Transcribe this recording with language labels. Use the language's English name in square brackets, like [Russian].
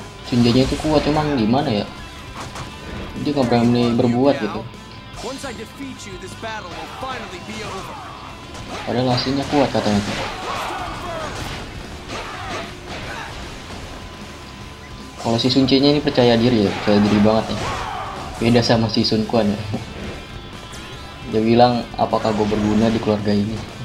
[Indonesian] Sun Jian-nya itu kuat, cuman gimana ya? Dia nggak berani berbuat gitu. [English] Once I defeat you, this battle will finally be over. [Indonesian] Padahal hasilnya kuat katanya. Kalau si Sunce-nya ini percaya diri ya, percaya diri banget nih. Beda sama si Sun Quan ya. Dia bilang, apakah gue berguna di keluarga ini?